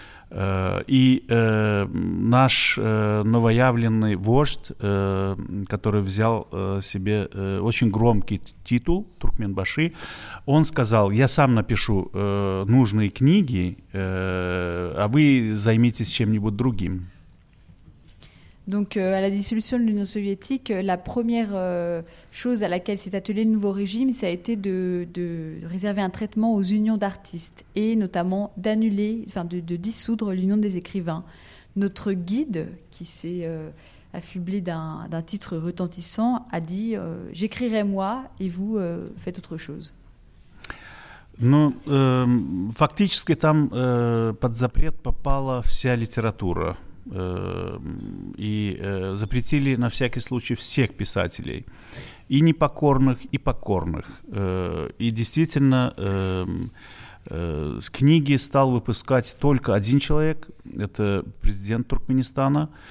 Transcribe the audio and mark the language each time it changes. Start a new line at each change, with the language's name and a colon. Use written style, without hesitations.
Russian: Наш новоявленный вождь, который взял себе очень громкий титул Туркменбаши, он сказал: «Я сам напишу нужные книги, а вы займитесь чем-нибудь другим».
French: Donc à la dissolution de l'Union soviétique, la première chose à laquelle s'est attelé le nouveau régime, ça a été de réserver un traitement aux unions d'artistes et notamment de dissoudre l'Union des écrivains. Notre guide, qui s'est affublé d'un titre retentissant, a dit « j'écrirai moi et vous faites autre chose ».
Russian: Ну, фактически там под запрет попала вся литература. И запретили на всякий случай всех писателей, и непокорных, и покорных. И действительно, книги стал выпускать только один человек, это президент Туркменистана.